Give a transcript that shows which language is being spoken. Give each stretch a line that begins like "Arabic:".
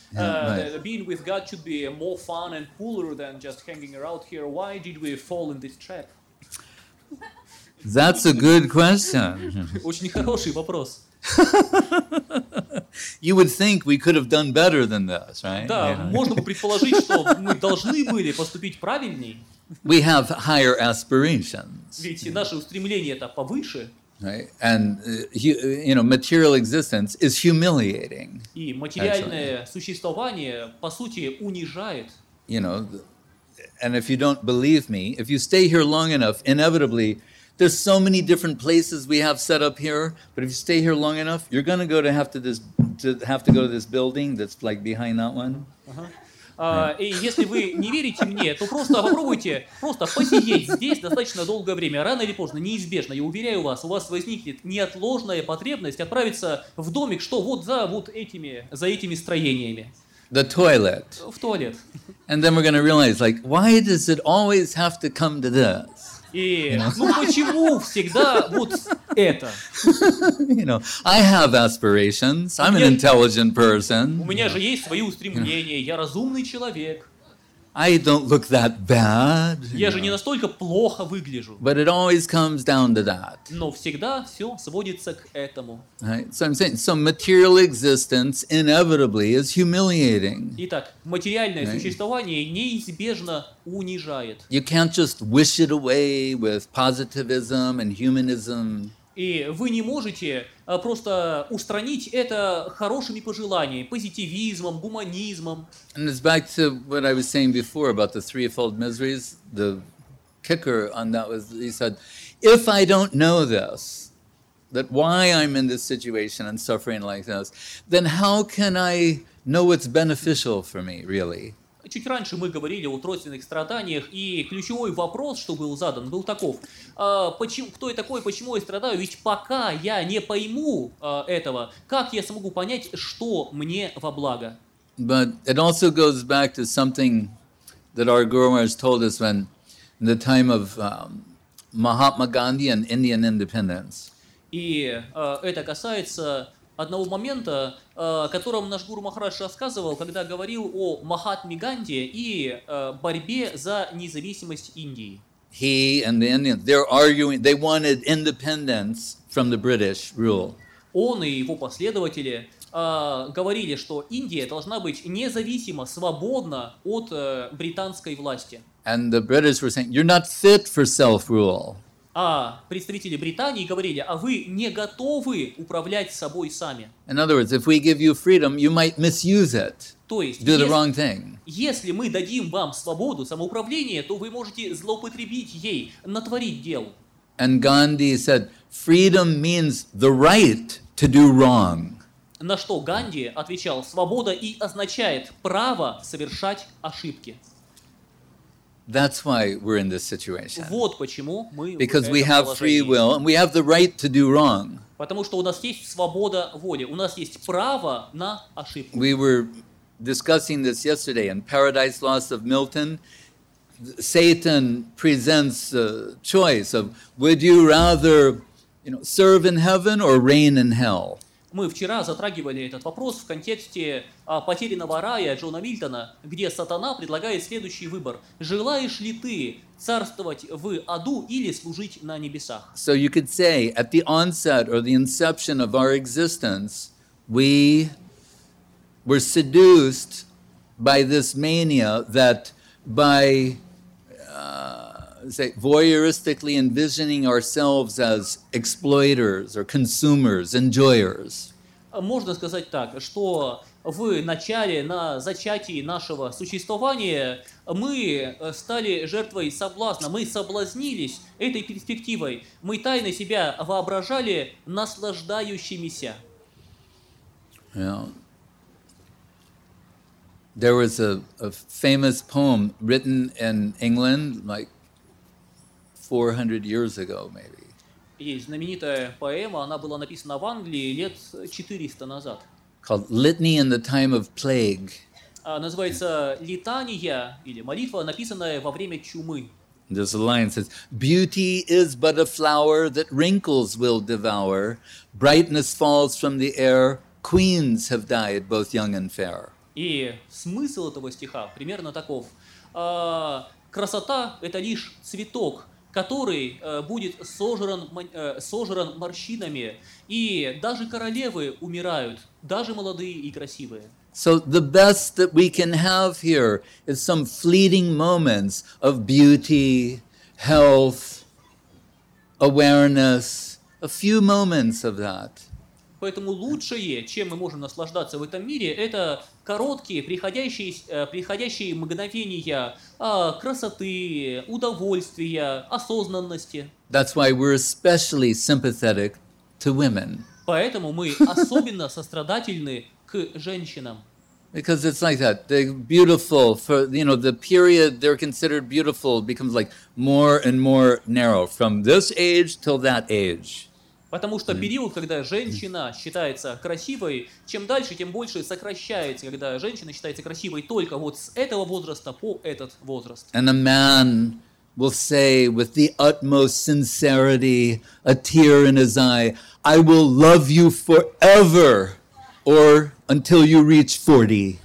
English: Right. Being with God should be more fun and cooler than just hanging around here. Why did we fall in this trap? That's a good question.
Russian: Очень хороший вопрос.
English: You would think we could have done better than this, right?
Russian: Да, можно бы предположить, что мы должны были поступить правильней.
English: We have higher aspirations.
Russian: Ведь наши устремления-то повыше.
English: Right? And you know, material existence is humiliating.
Russian: И материальное существование, по сути, унижает.
English: You know, and if you don't believe me, if you stay here long enough, inevitably, there's so many different places we have set up here. But if you stay here long enough, you're gonna go to have to this to have to go to this building that's like behind that one.
Russian: И если вы не верите мне, то просто попробуйте просто посидеть здесь достаточно долгое время. Рано или поздно, неизбежно, я уверяю вас, у вас возникнет неотложная потребность отправиться в домик, что вот за вот этими, за этими строениями.
English: The toilet.
Russian: В туалет.
English: And then we're going to realize, like, why does it always have to come to this?
Russian: И,
English: you know?
Russian: Ну почему всегда вот это?
English: You know, I have aspirations. I'm an intelligent person.
Russian: У меня же есть свои устремления. Я разумный человек.
English: I don't look that bad.
Russian: Я же не настолько плохо выгляжу.
English: But it always comes down to that.
Russian: Но всегда все сводится к этому.
English: Right? So I'm saying, so material existence inevitably is humiliating.
Russian: Итак, материальное существование неизбежно унижает.
English: You can't just wish it away with positivism and humanism.
Russian: И вы не можете просто устранить это хорошими пожеланиями, позитивизмом, гуманизмом.
English: And it's back to what I was saying before about the threefold miseries. The kicker on that was, he said, if I don't know this, that why I'm in this situation and suffering like this, then how can I know what's beneficial for me, really?
Russian: Чуть раньше мы говорили о тройственных страданиях, и ключевой вопрос, что был задан, был таков. Кто я такой, почему я страдаю? Ведь пока я не пойму этого, как я смогу понять, что мне во благо?
English: But it also goes back to something that our Guru Maharaj told us when in the time of Mahatma Gandhi and Indian independence.
Russian: И это касается одного момента, о котором наш Гуру Махарадж рассказывал, когда говорил о Махатме Ганди и борьбе за независимость Индии.
English: He and the Indians, they're arguing, they wanted independence from the British rule.
Russian: Он и его последователи говорили, что Индия должна быть независима, свободна от британской власти.
English: And the British were saying, you're not fit for self-rule.
Russian: А представители Британии говорили, а вы не готовы управлять собой сами.
English: In other words, if we give you freedom, you might misuse it.
Russian: То есть,
English: do the wrong thing.
Russian: Если мы дадим вам свободу самоуправления, то вы можете злоупотребить ей, натворить дел.
English: And Gandhi said, freedom means the right to do wrong.
Russian: На что Ганди отвечал, свобода и означает право совершать ошибки.
English: That's why we're in this situation.
Russian: Вот почему мы в
English: Because we have
Russian: положении.
English: Free will and we have the right to do wrong.
Russian: Потому что у нас есть свобода воли, у нас есть право на ошибку.
English: We were discussing this yesterday in Paradise Lost of Milton. Satan presents a choice of would you rather, you know, serve in heaven or reign in hell?
Russian: Мы вчера затрагивали этот вопрос в контексте потерянного рая Джона Мильтона, где сатана предлагает следующий выбор. Желаешь ли ты царствовать в аду или служить на небесах?
English: So you could say, at the onset or the inception of our existence, we were seduced by this mania that by, say, voyeuristically envisioning ourselves as exploiters or consumers, enjoyers.
Russian: Можно сказать так, что в начале, на зачатии нашего существования мы стали жертвой соблазна, мы соблазнились этой перспективой, мы тайно себя воображали наслаждающимися.
English: Yeah. There was a famous poem written in England like 400 years ago, maybe.
Russian: Есть знаменитая поэма, она была написана в Англии лет 400 назад.
English: Called Litany in the Time of Plague.
Russian: Называется «Литания» или молитва, написанная во время чумы.
English: This line says, beauty is but a flower that wrinkles will devour. Brightness falls from the air. Queens have died, both young and fair.
Russian: И смысл этого стиха примерно таков. Красота – это лишь цветок. который будет сожран морщинами, и даже королевы умирают, даже молодые и красивые.
English: So the best that we can have here is some fleeting moments of beauty, health, awareness, a few moments of that.
Russian: Поэтому лучшее, чем мы можем наслаждаться в этом мире, это короткие, приходящие мгновения красоты, удовольствия, осознанности.
English: That's why we're especially sympathetic to women.
Russian: Поэтому мы особенно сострадательны к женщинам.
English: Because it's like that. They're beautiful for, you know, the period they're considered beautiful becomes like more and more narrow from this age till that age.
Russian: Потому что период, когда женщина считается красивой, чем дальше, тем больше сокращается, когда женщина считается красивой только вот с этого возраста по этот возраст.
English: And a man will say with the utmost sincerity, a tear in his eye, I will love you forever or until you reach 40.